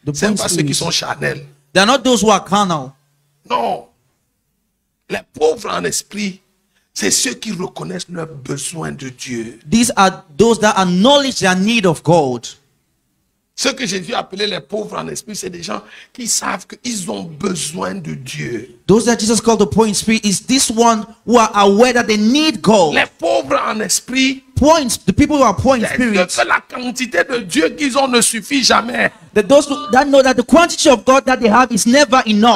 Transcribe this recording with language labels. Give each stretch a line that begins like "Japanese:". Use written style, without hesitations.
French: Ce n'est pas spirit. Ceux qui sont charnel.
English: They are not those who are carnal.
French: Non. Les pauvres en esprit. C'est ceux qui reconnaissent leur besoin de Dieu.
English: These are those that acknowledge their need of God.
French: Ce que Jésus appelait les pauvres en esprit, c'est des gens qui savent qu'ils ont besoin de Dieu.
English: Those that Jesus called the poor in spirit is this one who are aware that they need God.
French: Les pauvres en esprit,
English: points, the people who are poor in spirit,
French: que la quantité de Dieu qu'ils ont ne suffit jamais.
English: That those that know that the quantity of God that they have is never enough.